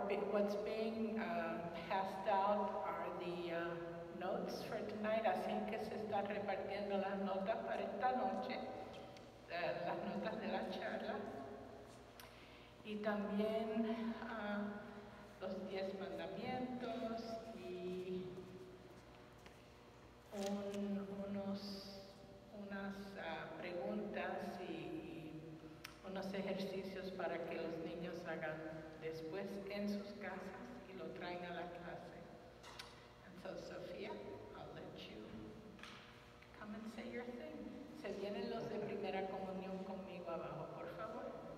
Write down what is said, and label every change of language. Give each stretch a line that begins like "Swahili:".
English: What's being passed out are the notes for tonight.
Spanish: Así que se está repartiendo las notas para esta noche, las notas de la charla, y también los 10 mandamientos y unas preguntas y unos ejercicios para que los niños hagan después en sus casas y lo traen a la clase.
English: And so, Sofía, I'll let you come and say your thing.
Spanish: Se vienen los de primera comunión conmigo abajo, por favor.